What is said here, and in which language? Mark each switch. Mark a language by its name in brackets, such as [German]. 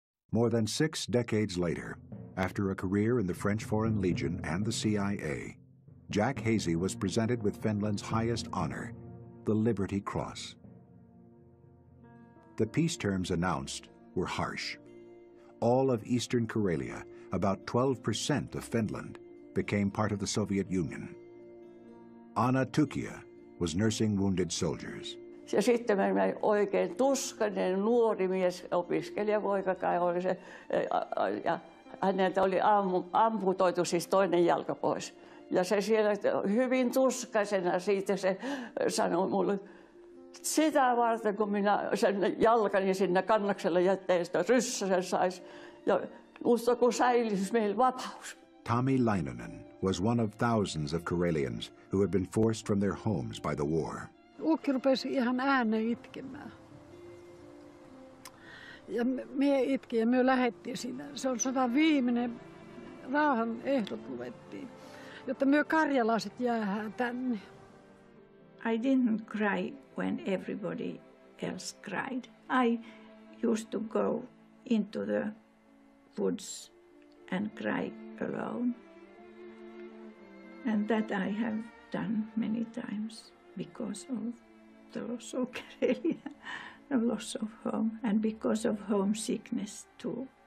[English] More than six decades later, after a career in the French Foreign Legion and the CIA, Jack Hazy was presented with Finland's highest honor, the Liberty Cross. The peace terms announced were harsh. All of Eastern Karelia, about 12% of Finland, became part of the Soviet Union. Anna Tukia was nursing wounded soldiers. [Finnish] Ja sitten mä olin oikein tuskainen nuori mies, opiskelijapoika kai oli se, ja häneltä oli amputoitu siis toinen jalka pois. Ja se siellä hyvin tuskaisena siitä se sanoi mulle, sitä varten kun minä sen jalkani sinne kannakselle jättäen, että ryssä sen saisi. Ja musta kun säilisi meillä vapaus. [English] Tommy Leinonen was one of thousands of Karelians who had been forced from their homes by the war. [Finnish] Ukki rupesi ihan ääneen itkemään. Ja me itki ja me lähettiin sinne. Se on sota viimeinen. Rauhan ehdot luvettiin, jotta me karjalaiset jäähän tänne. [English] I didn't cry when everybody else cried. I used to go into the woods and cry alone. And that I have done many times because of the loss of Karelia, the loss of home, and because of homesickness too.